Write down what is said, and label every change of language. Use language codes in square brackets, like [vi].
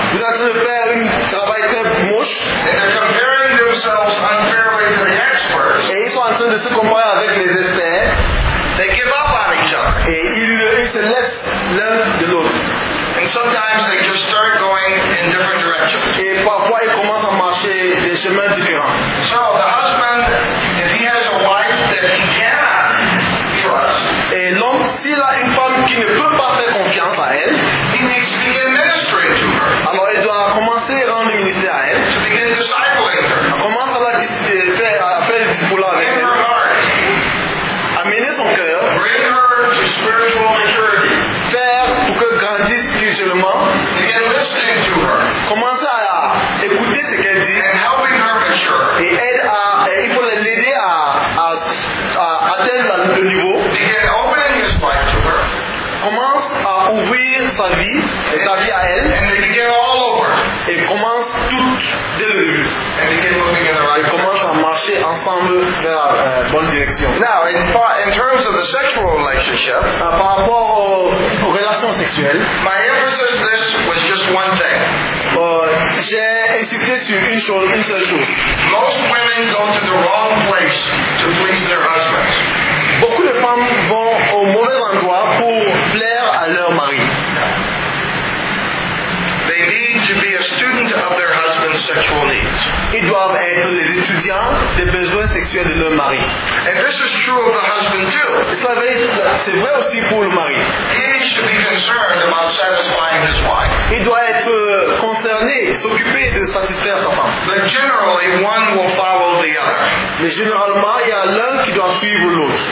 [fr] Ils sont en train de faire un travail moche. [en] And they're comparing themselves unfairly to the experts. [fr] Et ils sont en train de se comparer avec les experts. [en] They give up on each other. [fr] Et ils se laissent l'un de l'autre. [en] And sometimes they just start going in different directions. [fr] Et parfois ils commencent à marcher des chemins différents. [en] So the husband, if he has a wife that he cannot trust, [fr] et l'homme s'il a une femme qui ne peut pas faire confiance à elle, [en] he needs to begin ministering to her. [fr] Alors il doit commencer à rendre le ministère à elle. [en] To begin discipling her. [fr] On commence à la faire le discipulat avec [en] in [fr] elle. [en] Her heart. [fr] Amener son cœur. [en] Bring her to spiritual maturity. [fr] Faire pour que grandisse spirituellement. [en] Begin listening to her. [fr] Commencer à écouter ce qu'elle dit. [en] And helping her mature. [fr] Et aide à, et il faut l'aider à atteindre le niveau. [en] Begin opening his life to her. [fr] Commence à ouvrir sa vie, sa vie à elle. [en] And they begin all over. [fr] Et commence tout dès le début. [en] And begin moving in the right. [fr] Et commence à marcher ensemble vers la bonne direction. [en] Now, in terms of the sexual relationship, [fr] par rapport aux relations sexuelles, [en] my emphasis this was just one thing. [fr] J'ai insisté sur une chose, une seule chose. [en] Most women go to the wrong place to please their husbands. [fr] Beaucoup de femmes vont au mauvais endroit pour plaire à leur mari. [en] They need to be a student of their husband's sexual needs. [fr] Ils doivent être les étudiants des besoins sexuels de leur mari. [en] And this is true of the husband too. [fr] C'est vrai aussi pour le mari. [en] He needs to be concerned about satisfying his wife. [fr] Il doit être concerné, s'occuper de satisfaire sa femme. [en] But generally, one will follow the other. [fr] Mais généralement, il y a l'un qui doit suivre l'autre.